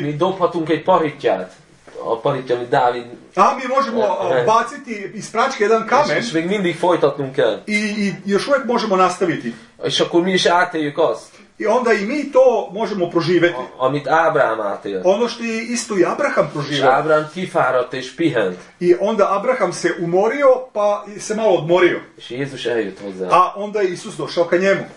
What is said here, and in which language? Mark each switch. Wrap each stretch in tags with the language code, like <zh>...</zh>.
<hu>Mi dobhatunk egy paritját. A paritja, amit Dávid...</hu> <sr>A mi možemo baciti iz pračke jedan kamen.</sr> <hu>És még mindig folytatnunk kell.</hu> <sr>I još uvijek možemo nastaviti.</sr> <hu>És akkor mi is átéljük azt.</hu> <sr>I onda i mi to možemo proživeti.</sr> <hu>Amit Abraham átél.</hu> <sr>Ono što je isto i Abraham proživio.</sr> <hu>És Abraham kifáradt és pihent.</hu> <sr>I onda Abraham se umorio, pa se malo odmorio.</sr> <hu>És Jézus eljött hozzá.</hu> <sr>A onda je Isus došao ka njemu.</sr>